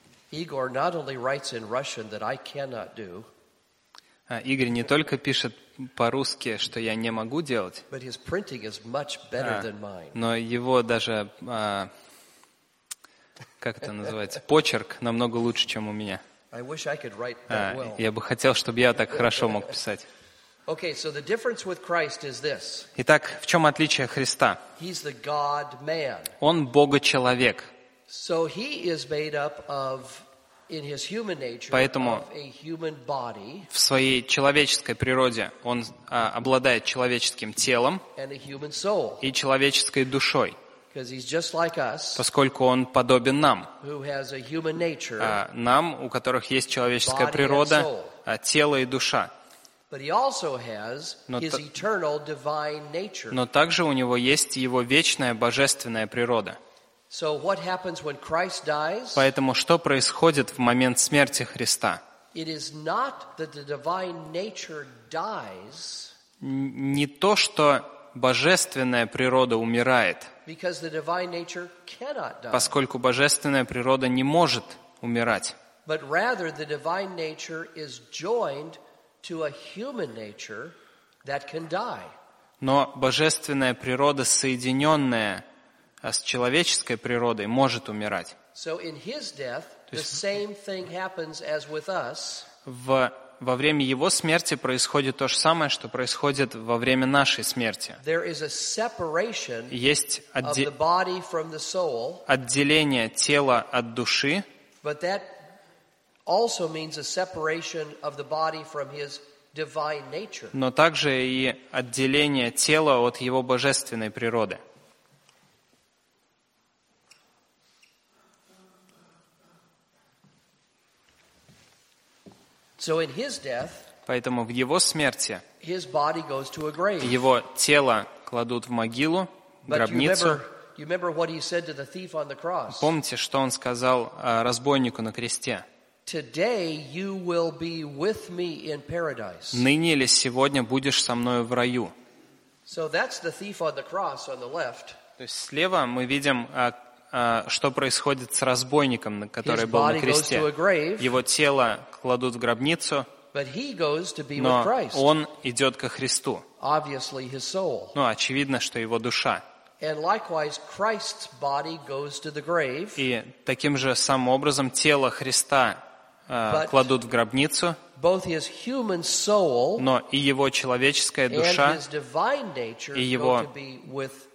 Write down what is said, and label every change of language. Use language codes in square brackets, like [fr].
[en] Igor not only writes in Russian that I cannot do. [ru] Игорь не только пишет по-русски, что я не могу делать. [en] But his printing is much better than mine. [ru] Но его даже как это называется, почерк намного лучше, чем у меня. [en] I wish I could write that well. [ru] Я бы хотел, чтобы я так хорошо мог писать. [en] Okay, so the difference with Christ is this. [ru] Итак, в чем отличие Христа? [en] He's the God-man. [ru] Он Бога-человек. [en] So he is made up of, in his human nature, [ru] поэтому [en] of a human body, [ru] в своей человеческой природе он обладает человеческим телом [en] and a human soul, [ru] и человеческой душой, [en] because he's just like us, [ru] поскольку он подобен нам, [en] who has a human nature, [ru] нам, у которых есть человеческая природа, тело и душа. [en] But he also has his eternal divine nature. [ru] Но также у него есть его вечная божественная природа. [en] So what happens when Christ dies? [ru] Поэтому что происходит в момент смерти Христа? [en] It is not that the divine nature dies. [ru] Не то, что божественная природа умирает. [en] Because the divine nature cannot die. [ru] Поскольку божественная природа не может умирать. [en] But rather the divine nature is joined to a human nature that can die. [ru] Но божественная природа, соединенная с человеческой природой, может умирать. [en] So in his death, the same thing happens as with us. [ru] Во время его смерти происходит то же самое, что происходит во время нашей смерти. [en] There is a separation of the body from the soul. [ru] Отделение тела от души. [en] But that also means a separation of the body from his divine nature. [ru] Но также и отделение тела от его божественной природы. [en] So in his death, [ru] поэтому в его смерти [en] his body goes to a grave. [ru] Его тело кладут в могилу, гробницу. [en] You remember what he said to the thief on the cross. [ru] Помните, что он сказал разбойнику на кресте? [en] Today you will be with me in paradise. [ru] Ныне или сегодня будешь со мною в раю. [en] So that's the thief on the cross on the left. [ru] То есть слева мы видим, что происходит с разбойником, который был на кресте. Его тело кладут в гробницу, но он идет ко Христу. Ну, очевидно, что его душа. И таким же самым образом тело Христа кладут в гробницу, но и его человеческая душа, и его...